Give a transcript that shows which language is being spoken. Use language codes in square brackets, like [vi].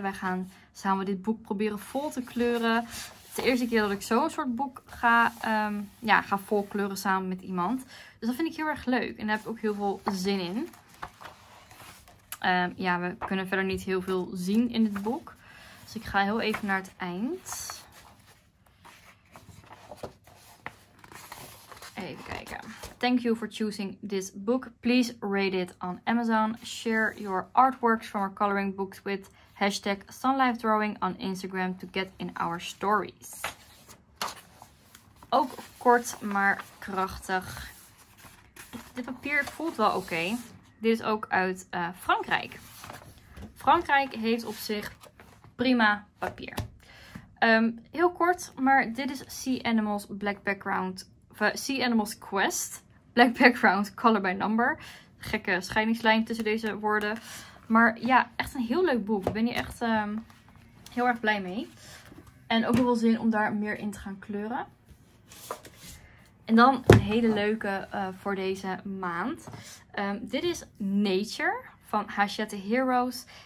[nl] Wij gaan samen dit boek proberen vol te kleuren. Het is de eerste keer dat ik zo'n soort boek ga, ga volkleuren samen met iemand. Dus dat vind ik heel erg leuk. En daar heb ik ook heel veel zin in. We kunnen verder niet heel veel zien in het boek. Dus ik ga heel even naar het eind. Even kijken. [en] Thank you for choosing this book. Please rate it on Amazon. Share your artworks from our coloring books with hashtag sunlifedrawing on Instagram to get in our stories. [nl] Ook kort, maar krachtig. Dit papier voelt wel oké. Okay. Dit is ook uit Frankrijk. Frankrijk heeft op zich prima papier. Heel kort, maar dit is Sea Animals Black Background. [en] Sea Animals Quest. Black Background Color by Number. [nl] Gekke scheidingslijn tussen deze woorden. Maar ja, echt een heel leuk boek. Ben hier echt heel erg blij mee. En ook wel zin om daar meer in te gaan kleuren. En dan een hele leuke voor deze maand. Dit is Nature van Hachette Heroes.